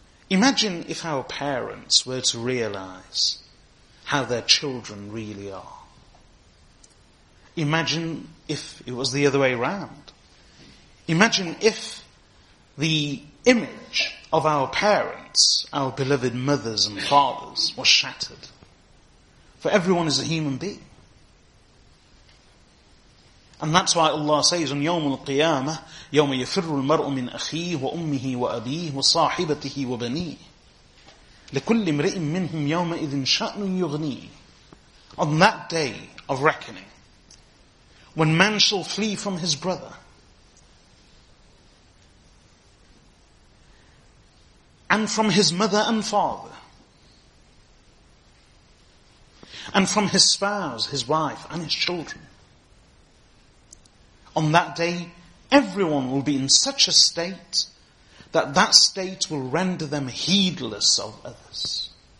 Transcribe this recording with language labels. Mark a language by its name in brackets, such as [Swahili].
[English] Imagine if our parents were to realize how their children really are. Imagine if it was the other way around. Imagine if the image of our parents, our beloved mothers and fathers, was shattered. For everyone is a human being. And that's why Allah says on [Arabic] يوم القيامة يوم يفر المرء من أخيه وأمه وأبيه وصاحبته وبنيه لكل امرئ منهم يومئذ شأن يغنيه. [English] On that day of reckoning, when man shall flee from his brother and from his mother and father and from his spouse, his wife and his children, on that day, everyone will be in such a state that that state will render them heedless of others.